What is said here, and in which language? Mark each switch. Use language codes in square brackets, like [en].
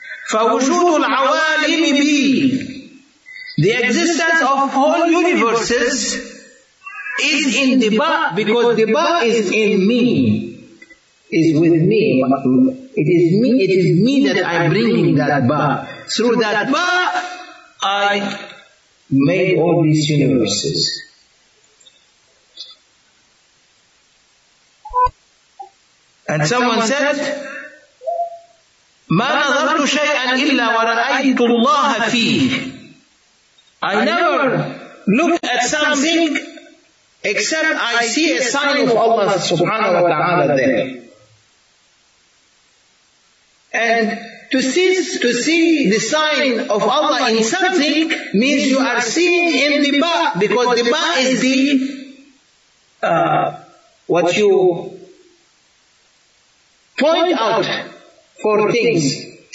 [ar] فوجود العوالم بي, [en] the existence of all universes is in the ba, because the ba is in me, is with me, it is me, it is me that I'm bringing that ba. Through that ba I made all these universes. And someone said, [ar] ما نظرت شيئا إلا ورأيت الله فيه. [en] I never look at something except I see a sign of Allah subhanahu wa ta'ala there. And to see the sign of Allah in something means you are seeing in the ba, because the ba is the what you point out for things.